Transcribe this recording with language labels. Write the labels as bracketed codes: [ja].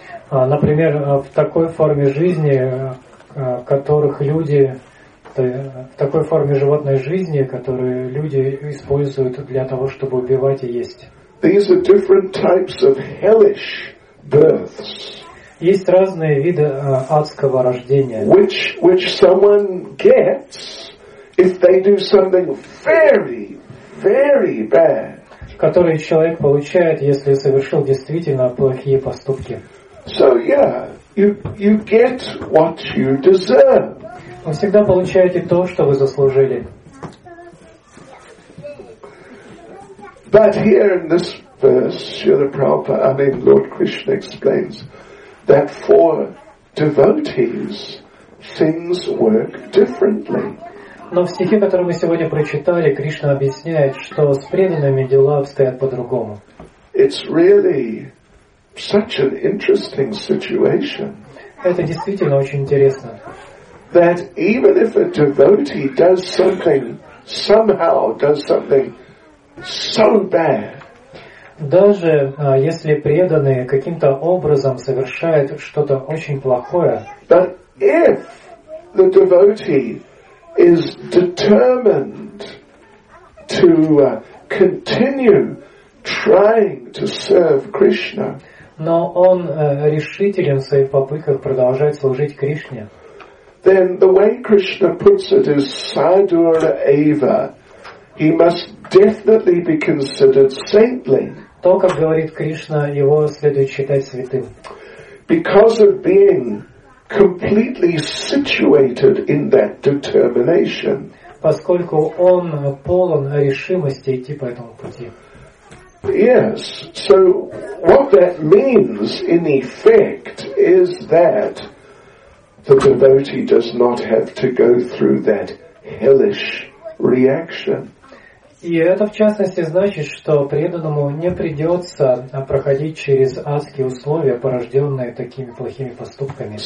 [ru] Например, в такой форме жизни, которых люди, в такой форме животной жизни, которые люди используют для того, чтобы убивать и есть. [en] These are different types of hellish births. [ru] Есть разные виды адского рождения. [en] Which someone gets if they do something very, very bad. [ru] Который человек получает, если совершил действительно плохие поступки. [en] So yeah, you get what you deserve. [ru] Вы всегда получаете то, что вы заслужили. [en] But here in this verse, Srila Prabhupada, Lord Krishna explains that for devotees things work differently. [ru] Но в стихе, который мы сегодня прочитали, Кришна объясняет, что с преданными дела обстоят по-другому. [en] It's really such an interesting situation. [ru] Это действительно очень интересно. [en] that even if a devotee does something, somehow does something so bad, [ru] даже если преданные каким-то образом совершают что-то очень плохое, [en] but if the devotee is determined to continue trying to serve Krishna, [ru] но он решителен в своих попытках продолжать служить Кришне, [en] then the way Krishna puts it is [sa] sadhur eva, [en] he must definitely be considered saintly. [ru] То, как говорит Кришна, его следует считать святым. [en] Because of being completely situated in that determination. [ru] Поскольку он полон решимости идти по этому пути. [en] Yes, so what that means in effect is that the devotee does not have to go through that hellish reaction. [ru] И это, в частности, значит, что преданному не придется проходить через адские условия, порожденные такими плохими поступками.